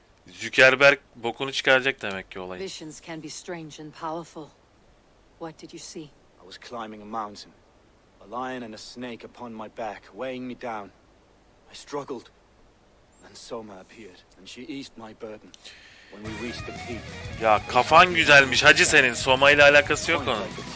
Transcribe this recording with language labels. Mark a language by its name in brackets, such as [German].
[Turkish] Zuckerberg bokunu çıkaracak demek ki olayı. [English] Visions can be strange and powerful. What did you see? I was climbing a mountain. A lion and a snake upon my back, weighing me down. I struggled. Then Soma appeared, and she eased my burden. When we reached the peak. [Turkish] Ya kafan güzelmiş hacı senin. Soma ile alakası yok onun.